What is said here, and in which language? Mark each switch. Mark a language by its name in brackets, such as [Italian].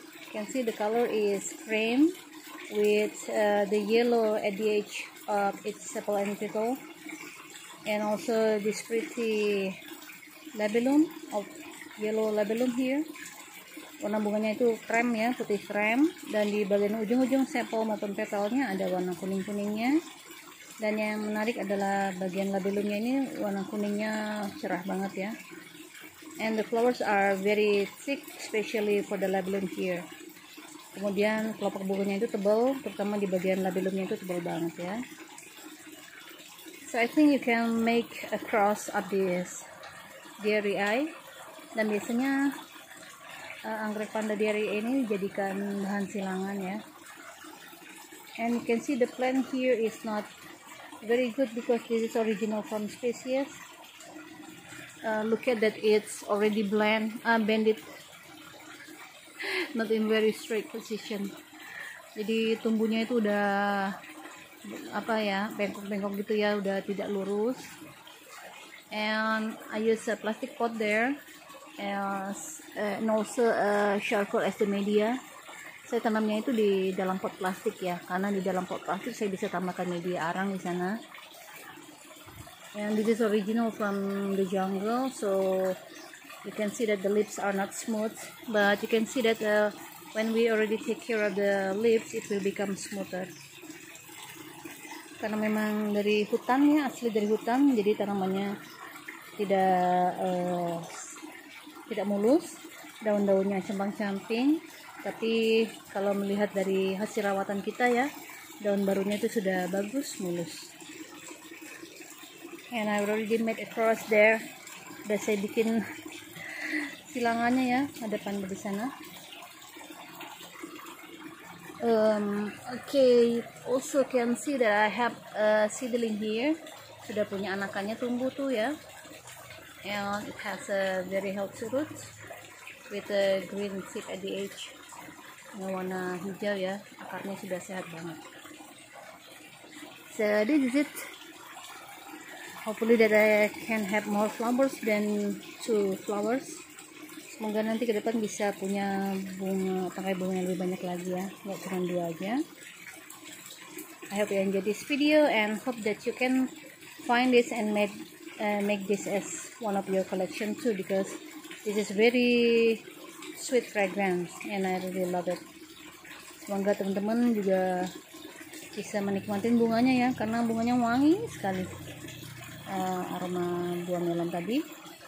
[English] You can see the color is cream with the yellow at the edge of its sepal and petal, and also this pretty labellum of yellow labellum here. [Indonesian] Warna bunganya itu cream ya, putih cream, dan di bagian ujung-ujung sepal maupun petalnya ada warna kuning-kuningnya. Dan yang menarik adalah bagian labellumnya ini warna kuningnya cerah banget ya. [English] And the flowers are very thick, especially for the labellum here. [Indonesian] Kemudian kelopak bunganya itu tebal, terutama di bagian labellumnya itu tebal banget ya. [English] So I think you can make a cross of this Dairy Eye. [Indonesian] Dan biasanya anggrek panda Dairy Eye ini dijadikan bahan silangan ya. [English] And you can see the plant here is not very good because this is original from species. Look at that, it's already bended. Not in very straight position. [Indonesian] Jadi tumbuhnya itu udah apa ya, bengkok-bengkok gitu ya, udah tidak lurus. [English] And I use a plastic pot there, and also a charcoal as the media. [Indonesian] Saya tanamnya itu di dalam pot plastik ya, karena di dalam pot plastik saya bisa tambahkan media arang di sana. [English] And this is original from the jungle, so you can see that the leaves are not smooth, but you can see that when we already take care of the leaves, it will become smoother. [Indonesian] Karena memang dari hutan ya, asli dari hutan, jadi tanamannya tidak mulus, daun-daunnya cempang-camping. Tapi kalau melihat dari hasil rawatan kita ya, daun barunya itu sudah bagus, mulus. [English] And I already made a cross there. [Indonesian] Udah saya bikin silangannya ya, ada panda di sana. [English] Okay, also can see that I have a seedling here. [Indonesian] Sudah punya anakannya tumbuh tuh ya. [English] And it has a very healthy root with a green tip at the edge. [Indonesian] Yang warna hijau ya, akarnya sudah sehat banget. [English] So this is it. Hopefully that I can have more flowers than 2 flowers. [Indonesian] Semoga nanti ke depan bisa punya bunga, pakai bunga yang lebih banyak lagi ya, gak cuma 2 aja. [English] I hope you enjoy this video and hope that you can find this and make this as one of your collection too, because this is very sweet fragrance and I really love it. [Indonesian] Semoga teman-teman juga bisa menikmati bunganya ya, karena bunganya wangi sekali, aroma buah melon tadi.